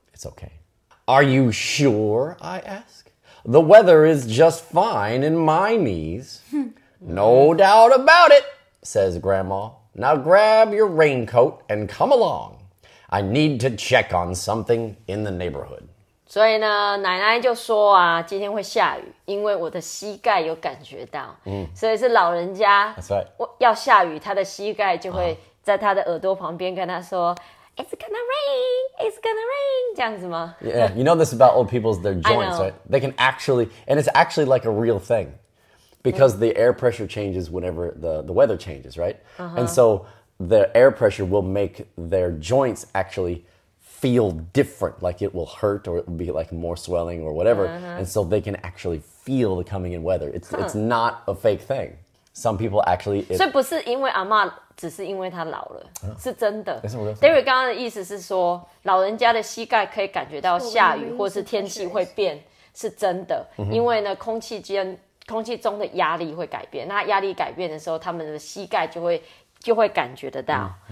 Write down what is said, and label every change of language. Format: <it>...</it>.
<en>It's okay. Are you sure? I ask. The weather is just fine in my knees. No doubt about it, says Grandma. Now grab your raincoat and come along. I need to check on something in the neighborhood.</en> <zh>所以呢，奶奶就说啊，今天会下雨，因为我的膝盖有感觉到。所以是老人家。</zh> <en>That's right.</en> <zh>要下雨，他的膝盖就会在他的耳朵旁边跟他说。</zh> <en>It's gonna rain. It's gonna rain.</en> <zh>这样子吗</zh> <en>Yeah, you know this about old people's their joints, right? They can actually, and it's actually like a real thing, because the air pressure changes whenever the weather changes, right? And so the air pressure will make their joints actually feel different, like it will hurt or it will be like more swelling or whatever. And so they can actually feel the coming in weather. It's not a fake thing. Some people actually...</en> <zh>所以不是因为阿嬷，只是因为她老了，是真的。 David 刚刚的意思是说，老人家的膝盖可以感觉到下雨或是天气会变，是真的。因为呢，空气中的压力会改变，那压力改变的时候，他们的膝盖就会感觉得到。</zh>